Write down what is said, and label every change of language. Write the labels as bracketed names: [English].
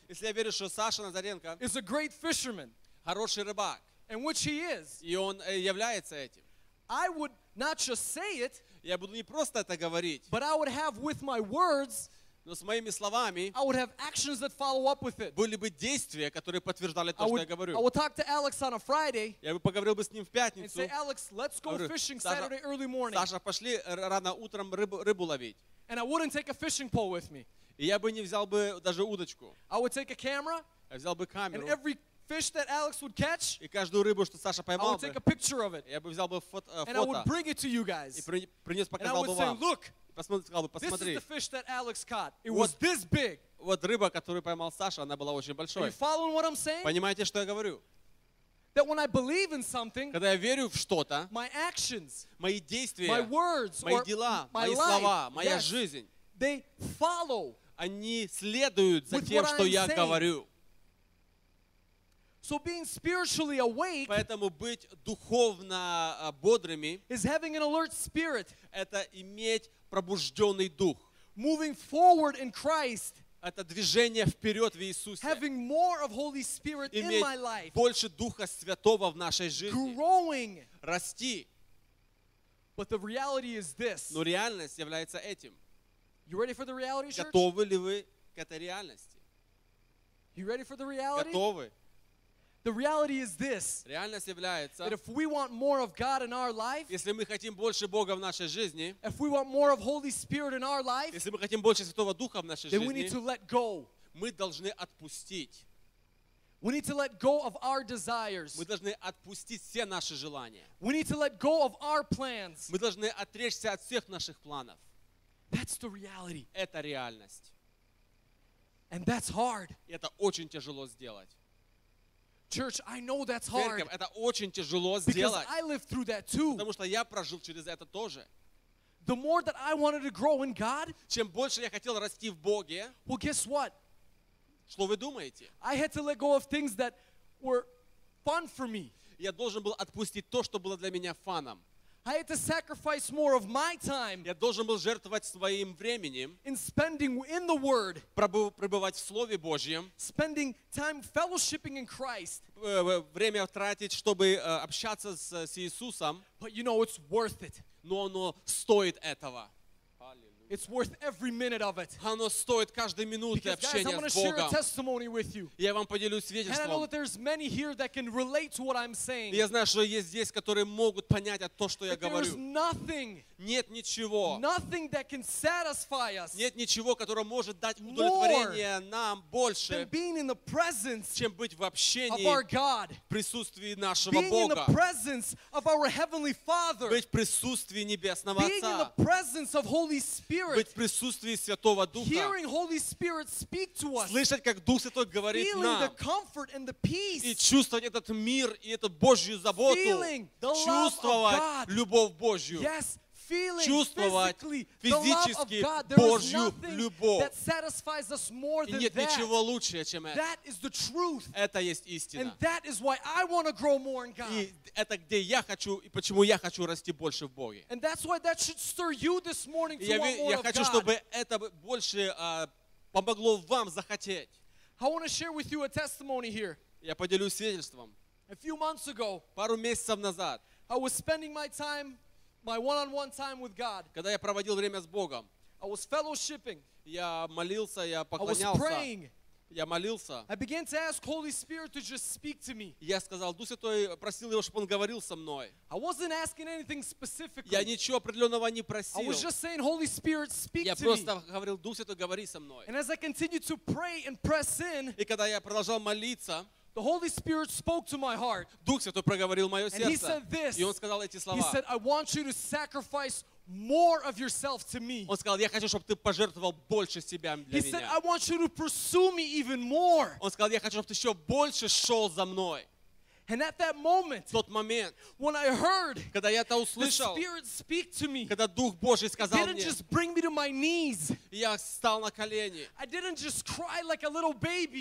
[Russian] если я верю, что Саша Назаренко, [English] is a great fisherman, [Russian] хороший рыбак, [English] and which he is, [Russian] и он является этим, [English] I would not just say it, [Russian] я буду не просто это говорить, [English] but I would have with my words. [Russian] Но с моими словами [English] I would have actions that follow up with it. [Russian] Были бы действия, которые подтверждали то, что я говорю. [English] I would talk to Alex on a Friday, [Russian] я бы поговорил бы с ним в пятницу. [English] And say, Alex, let's go fishing Saturday early morning. [Russian] Саша, пошли рано утром рыбу ловить. [English] And I wouldn't take a fishing pole with me. [Russian] И я бы не взял бы даже удочку. [English] I would take a camera, [Russian] я взял бы камеру. [English] And every fish that Alex would catch, [Russian] и каждую рыбу, что Саша поймал бы, [English] I would take a picture of it. [Russian] Я бы взял бы фото. [English] And I would bring it to you guys. [Russian] И принес, показал бы вам. [English] And I would say, look, [Russian] посмотри. [English] This is the fish that Alex caught. It was this big. [Russian] Вот рыба, которую поймал Саша, она была очень большой. [English] Are you following what I'm saying? [Russian] Понимаете, что я говорю? [English] That when I believe in something, [Russian] когда я верю в что-то, [English] my actions, [Russian] мои действия, [English] my words, [Russian] мои дела, мои слова, моя жизнь, [English] they follow. [Russian] Они следуют за тем, что я говорю. [English] So being spiritually awake, [Russian] поэтому быть духовно бодрыми, [English] is having an alert spirit. [Russian] Это иметь пробужденный дух. [English] Moving forward in Christ, [Russian] это движение вперед в Иисусе. [English] Having more of Holy Spirit in my life, [Russian] больше Духа Святого в нашей жизни. [English] Growing, [Russian] расти. [English] But the reality is this. [Russian] Но реальность является этим. [English] You ready for the reality, church? [Russian] Готовы ли вы к этой реальности? [English] You ready for the reality? [Russian] Готовы. [English] The reality is this. [Russian] Реальность является. [English] That if we want more of God in our life, [Russian] если мы хотим больше Бога в нашей жизни, [English] if we want more of Holy Spirit in our life, [Russian] если мы хотим больше Святого Духа в нашей [English] then [Russian] жизни, [English] we need to let go. [Russian] Мы должны отпустить. [English] We need to let go of our desires. [Russian] Мы должны отпустить все наши желания. [English] We need to let go of our plans. [Russian] Мы должны отречься от всех наших планов. [English] That's the reality. [Russian] Это реальность. [English] And that's hard. [Russian] И это очень тяжело сделать. [English] Church, I know that's hard. [Russian] Церковь, это очень тяжело [English] because [Russian] сделать. [English] I lived through that too. [Russian] Потому что я прожил через это тоже. [English] The more that I wanted to grow in God, [Russian] чем больше я хотел расти в Боге, [English] well, guess what? [Russian] Что вы думаете? [English] I had to let go of things that were fun for me. [Russian] Я должен был отпустить то, что было для меня фаном. [English] I had to sacrifice more of my time. [Russian] Я должен был жертвовать своим временем. [English] In spending in the Word. [Russian] Пребывать в Слове Божьем. [English] Spending time fellowshipping in Christ. [Russian] Время тратить, чтобы общаться с Иисусом. [English] But you know, it's worth it. [Russian] Но оно стоит этого. [English] It's worth every minute of it. [Russian] Оно стоит каждой минуты общения с Богом. [English] Because, guys, I'm going to share a testimony with you. [Russian] Я вам поделюсь свидетельством. [English] And I know that there's many here that can relate to what I'm saying. [Russian] Я знаю, что есть здесь, которые могут понять то, что я говорю. [English] There's nothing. [Russian] Нет ничего. [English] Nothing that can satisfy us. [Russian] Нет ничего, которое может дать удовлетворение нам больше. [English] Than being in the presence, [Russian] чем быть в общении. [English] Of our God. [Russian] Присутствии нашего Бога. [English] Being in the presence of our heavenly Father. [Russian] Быть в присутствии небесного Отца. [English] Being in the presence of Holy Spirit. [Russian] Быть в присутствии Святого Духа. [English] Hearing Holy Spirit speak to us. [Russian] Слышать, как Дух Святой говорит нам. [English] Feeling the comfort and the peace. [Russian] И чувствовать этот мир и эту Божью заботу. [English] Feeling the love of God. [Russian] Чувствовать любовь Божью. [English] Yes. [Russian] Чувствовать физически Божью любовь. И нет ничего лучше, чем это. Это есть истина. И это где я хочу, и почему я хочу расти больше в Боге. Я хочу, чтобы это больше помогло вам захотеть. Я поделюсь свидетельством. Пару месяцев назад я проводил свое время [English] My one-on-one time with God. [Russian] Когда я проводил время с Богом. [English] I was fellowshipping. [Russian] Я молился, я поклонялся. [English] I was praying. [Russian] Я молился. [English] I began to ask Holy Spirit to just speak to me. [Russian] Я сказал, Дух Святой, просил его, чтобы он говорил со мной. [English] I wasn't asking anything specifically. [Russian] Я ничего определенного не просил. [English] I was just saying, Holy Spirit, speak to [Russian] Я просто говорил, Дух Святой, говори со мной. [English] And as I continued to pray and press in, [Russian] и когда я продолжал молиться, [English] The Holy Spirit spoke to my heart. [Russian] Дух Святой проговорил мое сердце. [English] And he said this. [Russian] И он сказал эти слова. [English] He said, I want you to sacrifice more of yourself to me. [Russian] Он сказал, я хочу, чтобы ты пожертвовал больше себя для меня. [English] He said, I want you to pursue me even more. [Russian] Он сказал, я хочу, чтобы ты еще больше шел за мной. [English] And at that moment, [Russian] тот момент, [English] when I heard, [Russian] когда я это услышал, [English] the Spirit speak to me, [Russian] когда Дух Божий сказал мне, [English] didn't just bring me to my knees. [Russian] Я встал на колени. [English] I didn't just cry like a little baby.